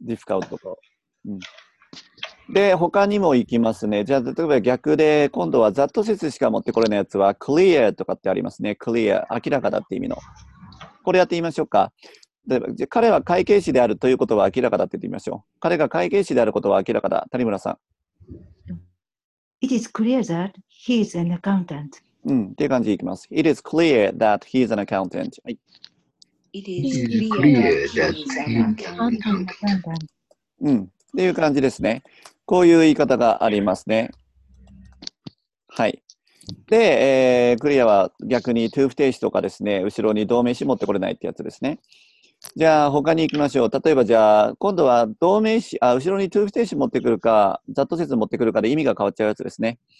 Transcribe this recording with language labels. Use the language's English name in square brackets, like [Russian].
[Japanese] difficult とか、うん。で、他にも行きますね。じゃあ、例えば逆で、今度は that 説しか持ってこれないやつは clear とかってありますね。 clear、明らかだって意味の。これやってみましょうか。例えば、彼は会計士であるということは明らかだって言ってみましょう。彼が会計士であることは明らかだ。谷村さん。 [English] It is clear that he is an accountant. [Japanese] うん、っていう感じでいきます。 [English] It is clear that he is an accountant.、 [Japanese] はい、 [English] It is clear that he is an accountant. [Japanese] うん、っていう感じですね。こういう言い方がありますね。はい。で、クリアは逆に to 不定詞とかですね、後ろに同名詞持ってこれないってやつですね。じゃあ、他に行きましょう。例えば、じゃあ、今度は動名詞、あ、後ろに to 不定詞持ってくるか、ざっと説持ってくるかで意味が変わっちゃうやつですね。